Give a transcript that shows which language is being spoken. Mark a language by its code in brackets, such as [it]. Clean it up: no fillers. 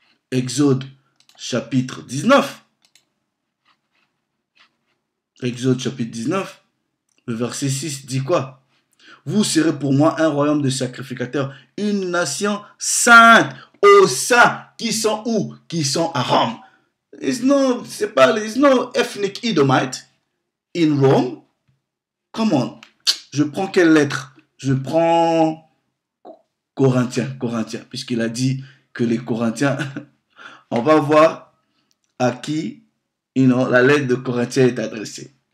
[fr] Exode chapitre 19. Exode chapitre 19. Le verset 6 dit quoi? Vous serez pour moi un royaume de sacrificateurs, une nation sainte, aux saints qui sont où? Qui sont à Rome. [en] It's no ethnic Edomite in Rome. [fr] Come on. Je prends quelle lettre? Je prends Corinthiens, puisqu'il a dit que les Corinthiens, on va voir à qui la lettre de Corinthiens est adressée.